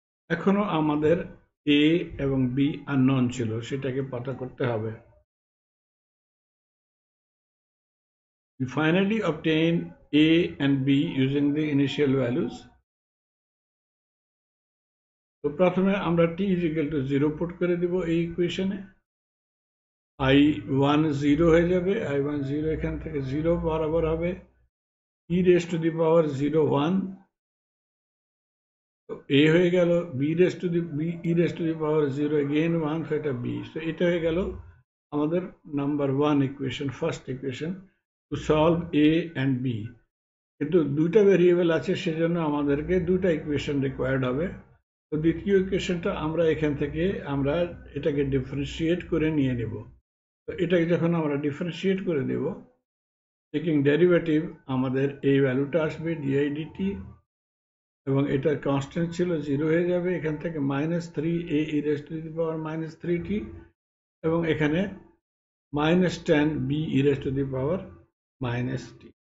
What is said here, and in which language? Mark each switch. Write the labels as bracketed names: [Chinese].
[Bangla] এখনো আমাদের এ এবং বি আননোন ছিল, সেটাকে পাতা করতে হবে। [English] We finally obtain A and B using the initial values. [Bangla] So, প্রথমে আমরা [English] t is equal to 0 [Bangla] put করে দিব এই ইকুয়েশনে। I1 0 হয়ে যাবে, I1 0 এখান থেকে 0 বরাবর হবে, e raised to the power 0 1, তো A হয়ে গেল, B raised to the, B, e raised to the power 0 again 1, so এটা B, so এটা হয়ে গেল আমাদের number 1 equation, first equation. [English] To solve A and B. [Bangla] কিন্তু দুইটা ভেরিয়েবল আছে, সেজন্য আমাদেরকে দুইটা ইকুয়েশন রিকোয়ার্ড হবে। তো দ্বিতীয় ইকুয়েশনটা আমরা এখান থেকে আমরা এটাকে ডিফারেনশিয়েট করে নিয়ে নেব। তো এটাকে যখন আমরা ডিফারেনশিয়েট করে দেব, টেকিং ডেরিভেটিভ আমাদের এই ভ্যালুটা আসবে ডিআই ডিটি, এবং এটার কনস্ট্যান্ট ছিল জিরো হয়ে যাবে, এখান থেকে minus three A raise to the power minus three T, এবং এখানে minus ten B raise to the power minus T.